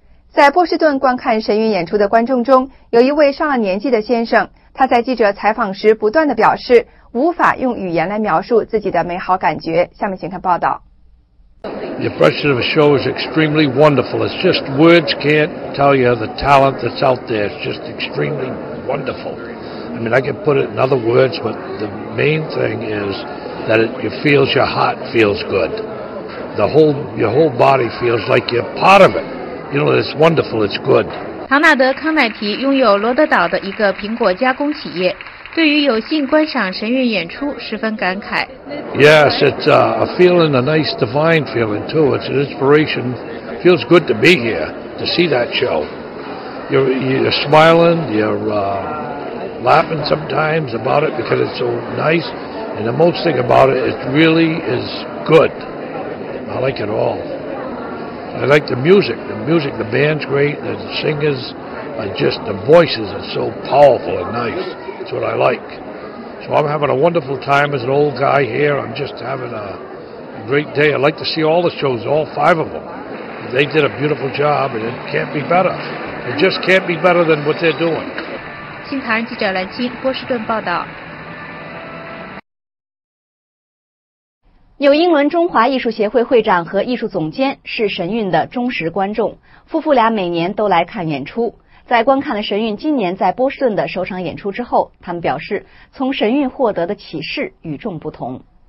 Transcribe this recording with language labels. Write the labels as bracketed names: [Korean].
[Chinese] 在波士顿观看神韵演出的观众中，有一位上了年纪的先生，他在记者采访时不断地表示无法用语言来描述自己的美好感觉。下面请看报道。 [English] The impression of a show is extremely wonderful. It's just words can't tell you the talent that's out there. It's just extremely wonderful. I mean, I can put it in other words, but the main thing is that it feels your heart feels good. Your whole body feels like you're part of it. You know, it's wonderful. It's good. 唐纳德·康乃提拥有罗德岛的一个苹果加工企业。对于有幸观赏神韵演出十分感慨。 Yes, it's a feeling, a nice divine feeling too. It's an inspiration. Feels good to be here, to see that show. You're smiling, you're laughing sometimes about it because it's so nice. And the most thing about it, it really is good. I like it all. I like the music. The band's great, the singers are just, the voices are so powerful and nice. What I like. So I'm having a wonderful time as an old guy here. I'm just having a great day. I'd like to see all the shows, all five of them. They did a beautiful job and it can't be better. It just can't be better than what they're doing. [Chinese] 新唐人记者蓝青，波士顿报道。纽英伦中华艺术协会会长和艺术总监是神韵的忠实观众，夫妇俩每年都来看演出。在观看了神韵今年在波士顿的首场演出之后，他们表示从神韵获得的启示与众不同。